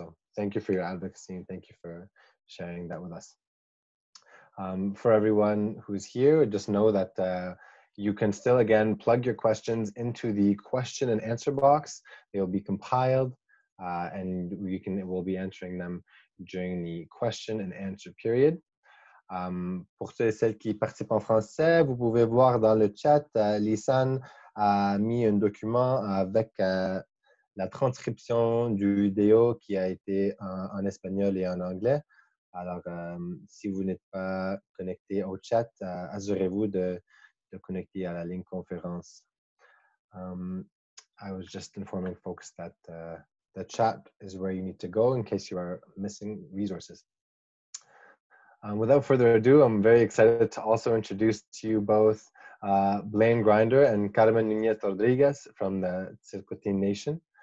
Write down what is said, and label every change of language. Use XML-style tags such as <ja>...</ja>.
<en>So thank you for your advocacy, and thank you for sharing that with us. For everyone who's here, just know that you can still, again, plug your questions into the question and answer box. They'll be compiled, and we'll be answering them during the question and answer period.</en> <fr>Pour ceux et celles qui participent en français, vous pouvez voir dans le chat, Lisanne a mis un document avec la transcription du vidéo qui a été en espagnol et en anglais. Alors, si vous n'êtes pas connecté au chat, assurez-vous de connecter à la ligne conférence.</fr> <en>I was just informing folks that the chat is where you need to go in case you are missing resources. Without further ado, I'm very excited to also introduce to you both Blaine Grinder and Carmen Nunez Rodriguez from the Tsilhqot’in Nation.</en>